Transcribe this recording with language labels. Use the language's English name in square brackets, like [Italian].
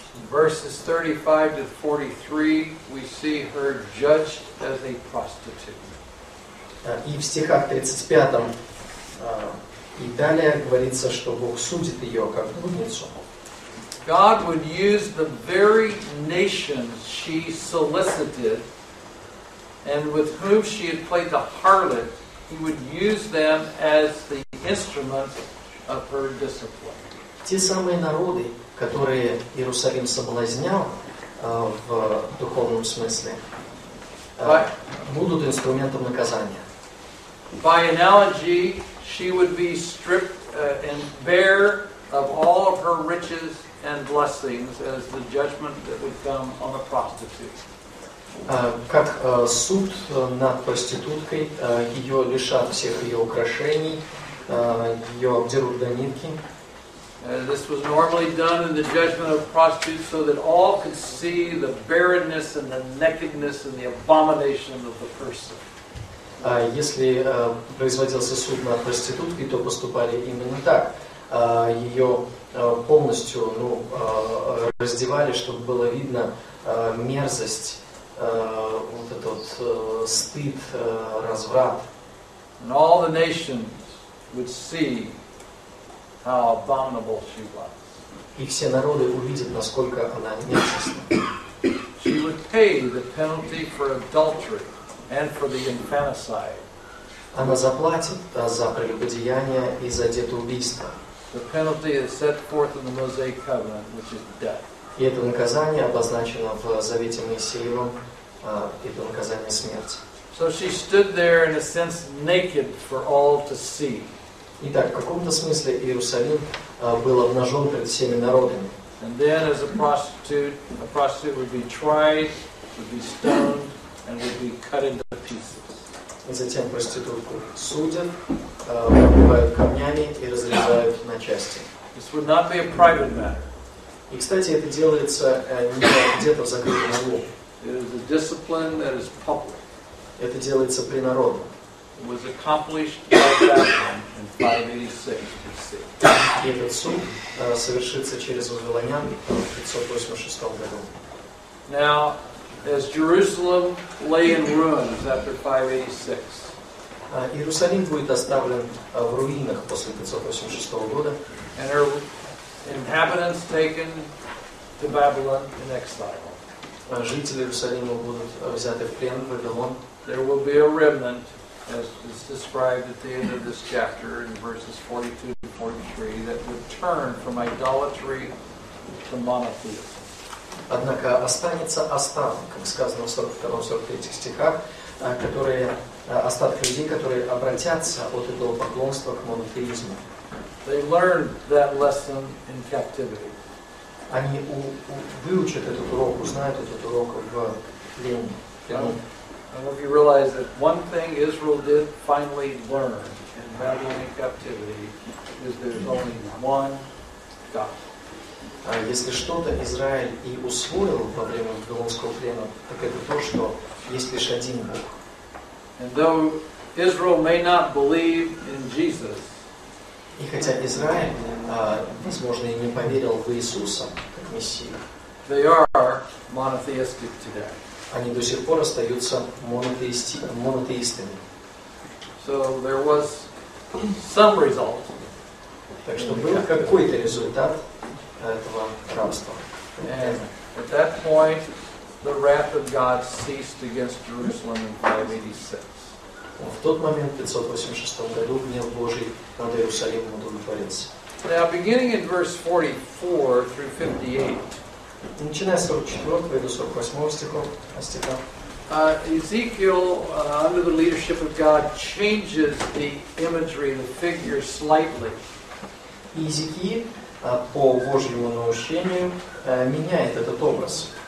[English] Verses 35-43 we see her judged as a prostitute. [Russian] И в стихах 35 и далее говорится, что Бог судит ее как блудницу. [English] God would use the very nations she solicited and with whom she had played the harlot, he would use them as the instrument of her discipline. [Russian] Те самые народы, которые Иерусалим соблазнял в духовном смысле, будут инструментом наказания. [English] By analogy, she would be stripped and bare of all of her riches and blessings as the judgment that would come on the prostitute. [Russian] Как суд над проституткой, ее лишат всех ее украшений, ее обдерут до нитки. [English] This was normally done in the judgment of prostitutes so that all could see the barrenness and the nakedness and the abomination of the person. [Russian] Если производился суд над проституткой, то поступали именно так. Ее полностью раздевали, чтобы было видно мерзость, вот этот стыд, разврат. [English] And all the nations would see how abominable she was. [Russian] И все народы увидят, насколько она мерзостна. [English] She would pay the penalty for adultery and for the infanticide. [Russian] Она заплатит за прелюбодеяние и за детоубийство. [English] The penalty is set forth in the Mosaic covenant, which is death. [Russian] И это наказание обозначено в Завете Моисеевом. Это наказание смерти. [English] So she stood there in a sense naked for all to see. [Russian] Итак, в каком-то смысле Иерусалим был обнажен перед всеми народами. [English] And then as a prostitute would be tried, would be stoned, and would be cut into pieces. [Russian] И затем проститутку судят, побивают камнями и разрезают на части. [English] This would not be a private matter. [Russian] И, кстати, это делается не где-то в закрытом углу. [English] It is a discipline that is public. [Russian] Это делается при народе. [English] It was accomplished by Babylon in 586 BC. [Russian] Этот суд совершится через вавилонян в 586 году. [English] Now, as Jerusalem lay in ruins after 586, [Russian] Иерусалим будет оставлен в руинах после 586 года. [English] And her inhabitants taken to Babylon in exile. [Russian] Жители Иерусалима будут взяты в плен в Вавилон. [English] There will be a remnant, as is described at the end of this chapter in verses 42 to 43, that would turn from idolatry to monotheism. [Russian] Однако останется остаток, как сказано в 42-43 стихах, которые, остатки людей, которые обратятся от этого поклонства к монотеизму. [English] They learned that lesson in captivity. [Russian] Они выучат этот урок, узнают этот урок в плену. [English] I hope you realize that one thing Israel did finally learn in Babylonian captivity is there's only one God. [Russian] Если что-то Израиль и усвоил во время Вавилонского плена, так это то, что есть лишь один Бог. [English] And though Israel may not believe in Jesus, [Russian] и хотя Израиль, возможно, и не поверил в Иисуса как Мессию, [English] they are monotheistic today. [Russian] Они до сих пор остаются монотеистами. [English] So there was some result. [Russian] Так что был какой-то результат этого рабства. [English] And at that point, the wrath of God ceased against Jerusalem in 586. [Russian] В тот момент, в 586 году, гнев Божий над Иерусалимом удовлетворился. [English] Now, beginning in verse 44 through 58, [Russian] начиная с 44 до 48 стиха, [English] Ezekiel, under the leadership of God, changes the imagery, the figure slightly. [Russian] Иезекии, по Божьему наущению, меняет этот образ.